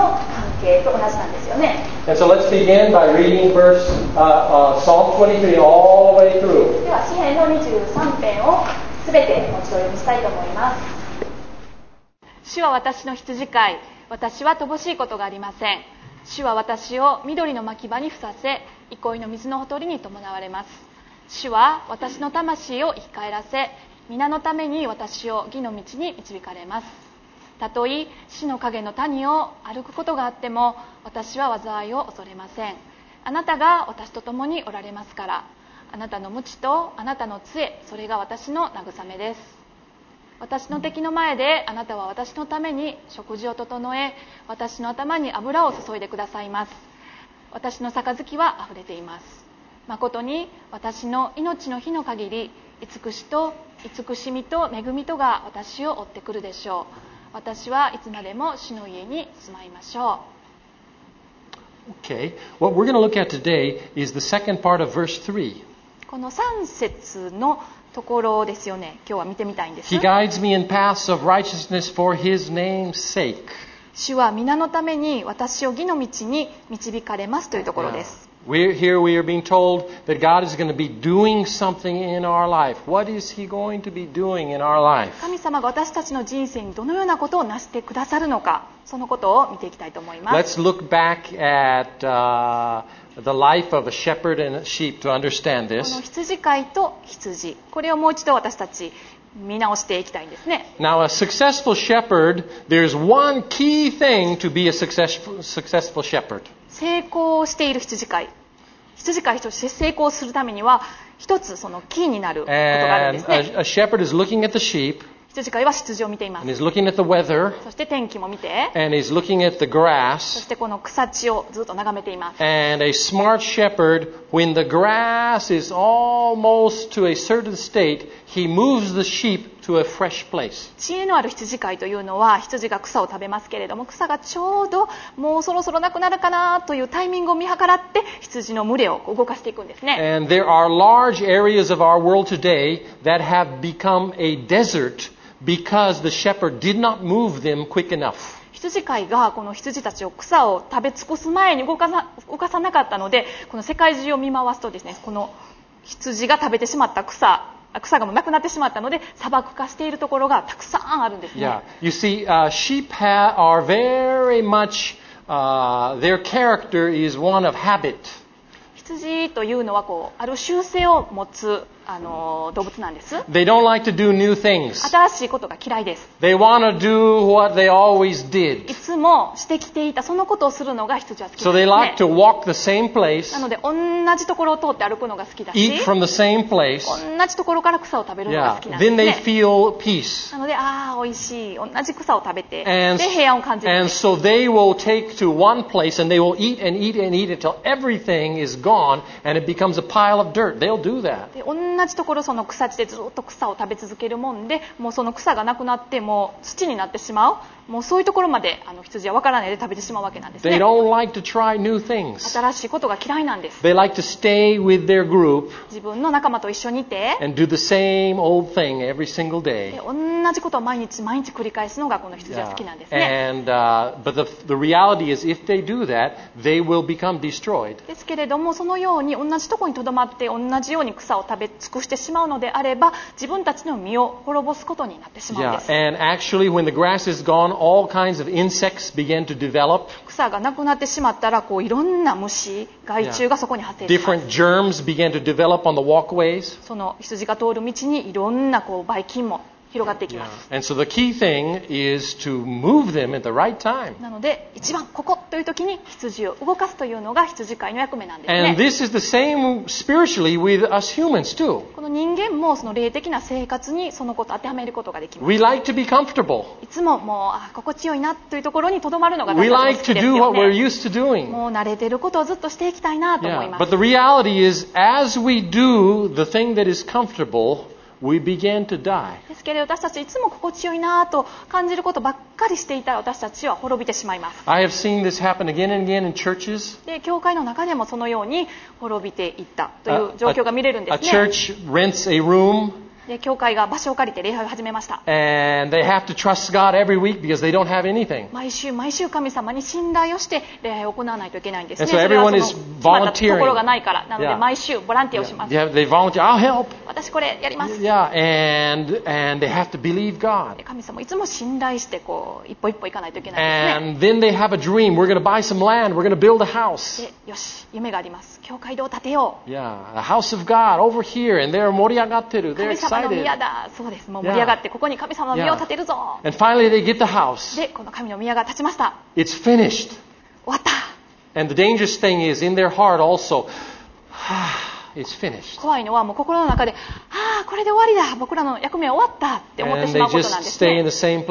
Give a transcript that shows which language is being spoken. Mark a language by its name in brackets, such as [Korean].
[English] And so let's begin by reading verse Psalm 23 all the way through. [Japanese] では、詩編の23編を全てお伝えと思います。主は私の羊飼い、私は乏しいことがありません。主は私を緑の牧場にふさせ、憩いの水のほとりに伴われます。主は私の魂を生き返らせ、皆のために私を義の道に導かれます。たとえ死の影の谷を歩くことがあっても、私は災いを恐れません。あなたが私と共におられますから。あなたの鞭とあなたの杖、それが私の慰めです。私の敵の前であなたは私のために食事を整え、私の頭に油を注いでくださいます。私の杯はあふれています。まことに私の命の日の限り、慈しみと恵みとが私を追ってくるでしょう。私はいつまでも主の家に住まいましょう。 [English] Okay, what we're going to look at today is the second part of verse 3. [Japanese] この3節のところですよね。今日は見てみたいんです。 [English] He guides me in paths of righteousness for His name's sake. [Japanese] 主は皆のために私を義の道に導かれますというところです。 [English] Yeah. Here we are being told that God is going to be doing something in our life. What is He going to be doing in our life? [Japanese] 神様が私たちの人生にどのようなことをなしてくださるのか、そのことを見ていきたいと思います。 [English] Let's look back at the life of a shepherd and a sheep to understand this. [Japanese] この羊飼いと羊、これをもう一度私たち見直していきたいんですね。 [English] Now, a successful shepherd, there's one key thing to be a successful shepherd. [Japanese] 成功している羊飼い、羊飼いとして成功するためには一つそのキーになることがあるんですね。 [English] A shepherd is looking at the sheep, [Japanese] 羊飼いは羊を見ています。 [English] And is looking at the weather, [Japanese] そして天気も見て、 [English] And is looking at the grass, [Japanese] そしてこの草地をずっと眺めています。 [English] And a smart shepherd, when the grass is almost to a certain state, he moves the sheep to a fresh place. [Japanese] 知恵のある羊飼いというのは、羊が草を食べますけれども、草がちょうどもうそろそろなくなるかなというタイミングを見計らって羊の群れを動かしていくんですね。 [English] And there are large areas of our world today that have become a desert because the shepherd did not move them quick enough. [Japanese] 羊飼いがこの羊たちを草を食べ尽くす前に動かさなかったので、この世界中を見回すとですね、この羊が食べてしまった草、草がもうなくなってしまったので、砂漠化しているところがたくさんあるんですね。 [English] Yeah. You see, sheep are very much, their character is one of habit. [Japanese] 羊というのはこうある習性を持つ動物なんです。 [English] They don't like to do new things. [Japanese] 新しいことが嫌いです。 [English] They want to do what they always did. [Japanese] いつもしてきていたそのことをするのが羊は好きですね。 [English] So they like to walk the same place. [Japanese] なので同じところを通って歩くのが好きだし。 [English] Eat from the same place. [Japanese] 同じところから草を食べるのが好きなんですね。 [English] Then they feel peace. [Japanese] なので、ああ、おいしい。同じ草を食べて、で、平安を感じる。 [English] And so they will take to one place and they will eat and eat and eat until everything is gone and it becomes a pile of dirt. They'll do that. [Japanese] で、同じ同じところその草地でずっと草を食べ続けるもんで、もうその草がなくなってもう土になってしまう、もうそういうところまで羊は分からないで食べてしまうわけなんですね。 [English] They don't like to try new things. [Japanese] 新しいことが嫌いなんです。 [English] They like to stay with their group. [Japanese] 自分の仲間と一緒にいて、 [English] and do the same old thing every single day. [Japanese] 同じことを毎日毎日繰り返すのがこの羊は好きなんですね。 [English] And but the reality is if they do that, they will become destroyed. [Japanese] ですけれどもそのように同じところにとどまって同じように草を食べ尽くしてしまうのであれば、自分たちの身を滅ぼすことになってしまうんです。 [English] Yeah. And actually, when the grass is gone. All kinds of insects begin to develop. [Japanese] 草がなくなってしまったら、こういろんな虫、害虫がそこに発生します。 [English] Different germs begin to develop on the walkways. [Japanese] その羊が通る道にいろんなこうばい菌も広がっていきます。 [English] And so the key thing is to move them at the right time. [Japanese] なので一番ここという時に羊を動かすというのが羊飼いの役目なんですね。 [English] And this is the same spiritually with us humans too. [Japanese] この人間もその霊的な生活にそのことを当てはめることができます。 [English] We like to be comfortable. [Japanese] いつももう心地よいなというところにとどまるのが大事ですよね。 [English] We like to do what we're used to doing. [Japanese] もう慣れてることをずっとしていきたいなと思います。 [English] Yeah. But the reality is, as we do the thing that is comfortable,We began to die. [Japanese] ですけれど私たちいつも心地よいなと感じることばっかりしていたら私たちは滅びてしまいます。 [English] I have seen this happen again and again in churches. [Japanese] で教会の中でもそのように滅びていったという状況が見れるんですね。 [English] A church rents a room. [Japanese] で教会が場所を借りて礼拝を始めました。 [English] And they have to trust God every week because they don't have anything. [Japanese] 毎週毎週神様に信頼をして礼拝を行わないといけないんですね。 [English] And so everyone is volunteering. [Japanese] ところがないからなので毎週ボランティアをします。 [English] Yeah. Yeah. They volunteer. I'll help. [Japanese] 私これやります。 [English] Yeah, and they have to believe God. [Japanese] 神様いつも信頼してこう一歩一歩行かないといけないですね。 [English] And then they have a dream. We're going to buy some land. We're going to build a house. [Japanese] よし、夢があります。教会堂を建てよう。 [English] Yeah, a house of God over here, and they're [Japanese] 盛り上がってる。 [English] They're excited. [Japanese] 神様の宮だ。そうです。もう盛り上がって、ここに神様の宮を建てるぞ。 [English] Yeah. And finally they get the house. [Japanese] で、この神の宮が建ちました。 [English] It's finished. [Japanese] 終わった。 [English] And the dangerous thing is in their heart also. It's finished. [Japanese] 怖いのはもう心の中で、ああこれで終わりだ、僕らの役目は終わったって思ってしまうことなんですね。